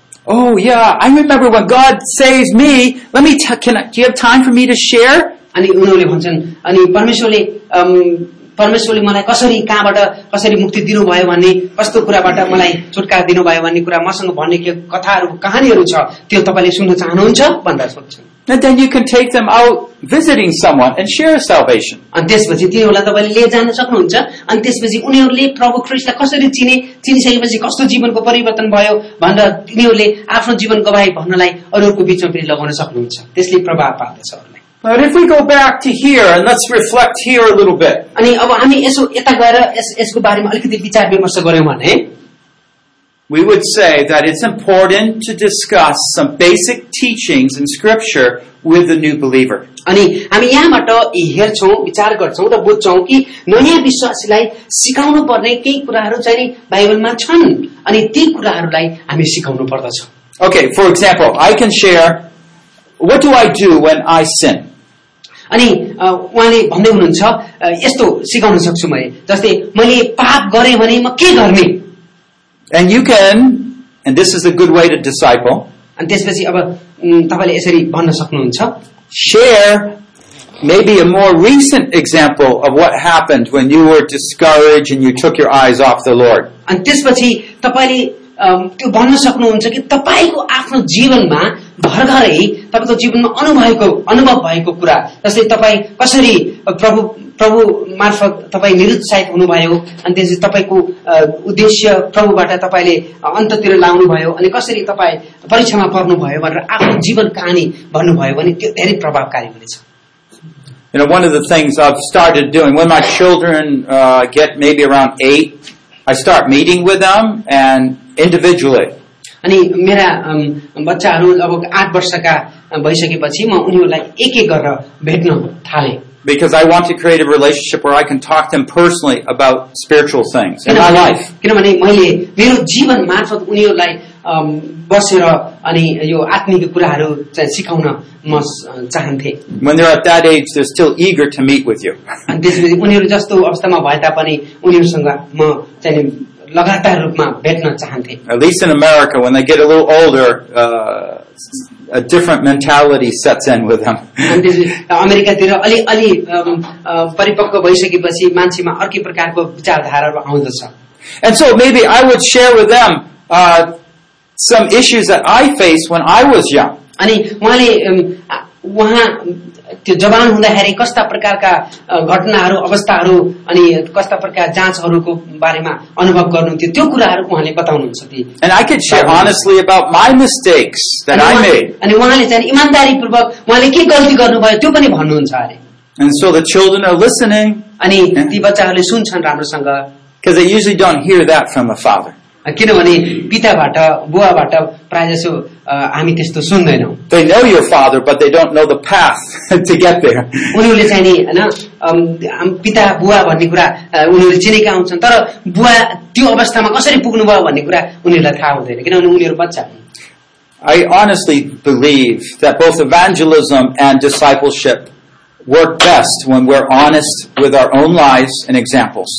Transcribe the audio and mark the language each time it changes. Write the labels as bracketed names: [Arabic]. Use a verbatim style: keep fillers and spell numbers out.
[English] Oh yeah, I remember when God saves me. Let me t- can I, do you have time for me to share? [Nepali] अनि उनीहरुले भन्छन् अनि परमेश्वरले परमेश्वरले मलाई कसरी कहाँबाट कसरी मुक्ति दिनुभयो भन्ने, कस्तो कुराबाट मलाई छुटकारा दिनुभयो भन्ने कुरा मसँग भन्ने के कथाहरु कहानीहरु छ, त्यो तपाईले सुन्न चाहनुहुन्छ भन्दा सोध्छन्। [English] And then you can take them out visiting someone and share salvation. [Nepali] अनि त्यसपछि तिनीहरुलाई तपाईले लिएर जान सक्नुहुन्छ, अनि त्यसपछि उनीहरुले प्रभु ख्रीष्टलाई कसरी चिने, चिनिसकेपछि कस्तो जीवनको परिवर्तन भयो भनेर तिनीहरुले आफ्नो जीवन गवाई भन्नलाई अरूको बीचमा पनि लगाउन सक्नुहुन्छ। त्यसले प्रभाव पार्दछ अरूलाई। [English] But if we go back to here and let's reflect here a little bit. [Nepali] अनि अब हामी यसो यता गएर यस यसको बारेमा अलिकति विचार विमर्श गर्यौं भने [English] we would say that it's important to discuss some basic teachings in Scripture with the new believer. [Nepali] अनि हामी यहाँबाट हेर्छौं, विचार गर्छौं र बुझ्छौं कि नयाँ विश्वासीलाई सिकाउनु पर्ने केही कुराहरू चाहिँ बाइबलमा छन्, अनि ती कुराहरूलाई हामी सिकाउनु पर्दछ। [English] Okay, for example, I can share what do I do when I sin? [Nepali] अनि उहाँले भन्दै हुनुहुन्छ यस्तो सिकाउन सक्छु मैले, जस्तै मैले पाप गरे भने म के गर्ने? [English] And you can, and this is a good way to disciple, [Nepali] and त्यसपछि अब तपाईले यसरी भन्न सक्नुहुन्छ [English] share maybe a more recent example of what happened when you were discouraged and you took your eyes off the Lord. [Nepali] अनि त्यसपछि तपाईले त्यो भन्न सक्नुहुन्छ कि तपाईको आफ्नो जीवनमा भर्खरै तपाईको जीवनमा अनुभवको अनुभव भएको कुरा, जस्तै तपाई कसरी प्रभु प्रभु मार्फत तपाई निरुत्साहित हुनुभयो, अनि त्यसपछि तपाईको उद्देश्य प्रभुबाट तपाईले अन्ततिर लाउनु भयो, अनि कसरी तपाई परीक्षामा पर्नु भयो भनेर आफ्नो जीवन कहानी भन्नुभयो भने त्यो धेरै प्रभावकारी हुनेछ। [English] You know, one of the things I've started doing when my children uh, get maybe around eight, I start meeting with them and individually. [Nepali] अनि मेरा बच्चाहरू अब आठ वर्षका भइसकेपछि म उनीहरूलाई एक एक गरेर भेट्न थाले। [English] Because I want to create a relationship where I can talk to them personally about spiritual things in my life. [Nepali] किनभने मैले मेरो जीवन मार्फत उनीहरूलाई बसेर अनि यो आत्मिक कुराहरू चाहिँ सिकाउन म चाहन्थे। [English] When they're at that age, they're still eager to meet with you. [Nepali] अनि त्यसपछि उनीहरू जस्तो अवस्थामा भए तापनि उनीहरूसँग म चाहिँ लगातार रूपमा भेट्न चाहन्थे। [English] At least in America, when they get a little older, uh, a different mentality sets in with them. [Nepali] अमेरिकातिर अलि अलि परिपक्व भइसकेपछि मान्छेमा अर्कै प्रकारको विचारधाराहरू आउँदछ। [English] And so maybe I would share with them uh, some issues that I faced when I was young. [Nepali] अनि उहाँले उहाँ त्यो जवान हुँदाखेरि कस्ता प्रकारका घटनाहरू अवस्थाहरू अनि कस्ता प्रकारका जाँचहरूको बारेमा अनुभव गर्नुहुन्थ्यो, त्यो कुराहरू उहाँले बताउनुहुन्छ। [English] And I could share honestly about my mistakes that I made. [Nepali] अनि उहाँले चाहिँ इमानदारीपूर्वक उहाँले के गल्ती गर्नुभयो त्यो पनि भन्नुहुन्छ अरे। [English] And so the children are listening. [Nepali] अनि ती बच्चाहरूले सुन्छन् राम्रोसँग। [English] Because they usually don't hear that from a father. [Nepali] किनभने पिताबाट बुवाबाट प्राय जसो हामी त्यस्तो सुन्दैनौं। [English] They know your father but they don't know the path to get there. [Nepali] उनीहरूले चाहिँ नि हैन पिता बुवा भन्ने कुरा उनीहरूले चिनेका हुन्छन्, तर बुवा त्यो अवस्थामा कसरी पुग्नु भयो भन्ने कुरा उनीहरूलाई थाहा हुँदैन किनभने उनीहरू बच्चा हुन्। [English] I honestly believe that both evangelism and discipleship work best when we're honest with our own lives and examples.